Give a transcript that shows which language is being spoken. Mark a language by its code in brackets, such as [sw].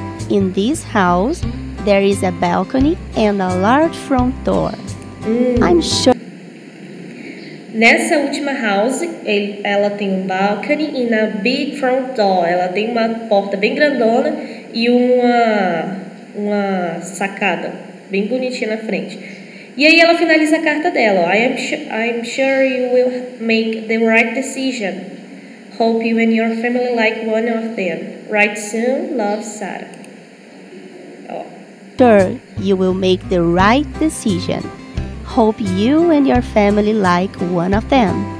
[en] In this house, there is a balcony and a large front door. I'm sure. [pt] Nessa última house, ela tem um balcony e na [en] big front door. [pt] Ela tem uma porta bem grandona e uma sacada bem bonitinha na frente. E aí ela finaliza a carta dela. [en] I'm sure you will make the right decision. Hope you and your family like one of them. Write soon. Love, Sarah. Sure, you will make the right decision. Hope you and your family like one of them.